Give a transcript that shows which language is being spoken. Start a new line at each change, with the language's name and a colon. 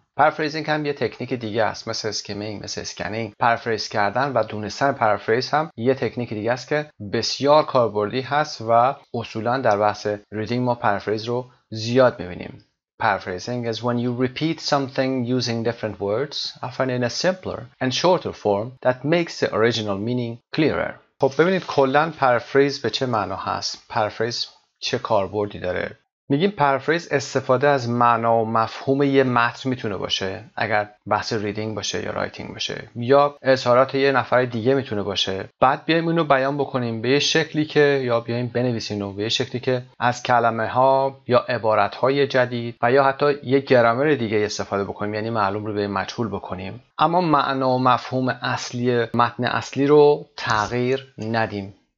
Persian: پرافریزینگ هم یه تکنیک دیگه است، مثل اسکیمینگ، مثل اسکنینگ. پرافریز کردن و دونستن پرافریز هم یه تکنیک دیگه است که بسیار کاربردی هست و اصولا در بحث ریدینگ ما پرافریز رو زیاد می‌بینیم.
English: Paraphrasing is when you repeat something using different words, often in a simpler and shorter form that makes the original meaning clearer.
Persian: خب ببینید کلن paraphrase به چه معنا هست؟ Paraphrase چه کاربردی داره؟ میگیم paraphrase استفاده از معنا و مفهوم یه متن میتونه باشه، اگر بحث reading باشه یا writing باشه، یا اظهارات یه نفر دیگه میتونه باشه. بعد بیایم اونو بیان بکنیم به یه شکلی که، یا بیایم بنویسیم اونو به یه شکلی که از کلمه ها یا عبارت های جدید و یا حتی یه گرامر دیگه استفاده بکنیم، یعنی معلوم رو به مجهول بکنیم، اما معنا و مفهوم اصلی متن اصلی رو تغییر ندیم.